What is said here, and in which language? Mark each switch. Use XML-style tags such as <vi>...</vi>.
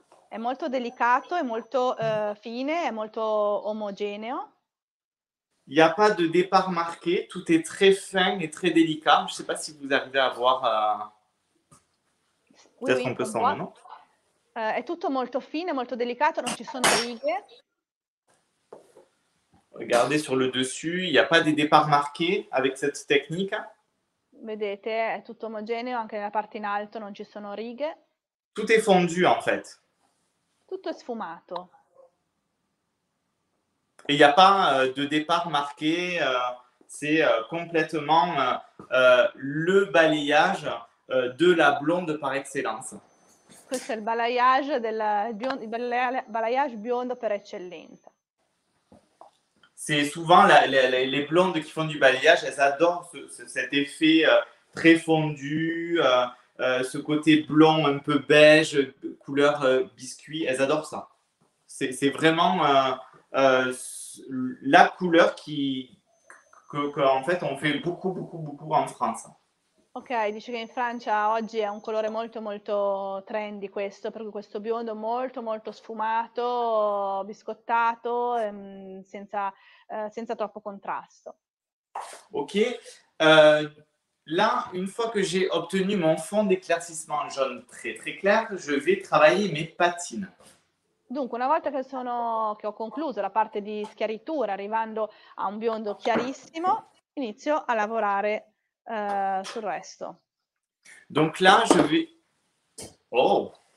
<it>È molto delicato, è molto fine, è molto omogeneo.</it> <fr>Il n'y a pas de départ marqué. Tout est très fin et très délicat. Je ne sais pas si vous arrivez à voir. Peut-être un peu sans le nom.</fr> <it>È tutto molto fine, molto delicato, non ci sono righe.</it> <fr>Regardez sur le dessus, il n'y a pas des départs marqués avec cette technique.</fr> <it>Vedete, è tutto omogeneo, anche nella parte in alto non ci sono righe.</it> <fr>Tout est fondu en fait.</fr> <it>Tutto è sfumato.</it> <fr>Et il n'y a pas de départ marqué, c'est complètement le balayage de la blonde par excellence.</fr> <it>Questo è il balayage biondo per eccellenza.</it> <fr>C'est souvent les blondes qui font du balayage, elles adorent cet effet très fondu, ce côté blond un peu beige, couleur biscuit, elles adorent ça. C'est vraiment la couleur qu'en fait on fait beaucoup, beaucoup, beaucoup en France.</fr> <it>Ok, dice che in Francia oggi è un colore molto molto trendy questo, perché questo biondo molto molto sfumato, biscottato, senza troppo contrasto.</it> <fr>Ok, là, une fois que j'ai obtenu mon fond d'éclaircissement jaune très très clair, je vais travailler mes patines.</fr> <it>Dunque, una volta che ho concluso la parte di schiarittura, arrivando a un biondo chiarissimo, inizio a lavorare sul resto.</it> <fr>Donc là, je vais. Oh!</fr>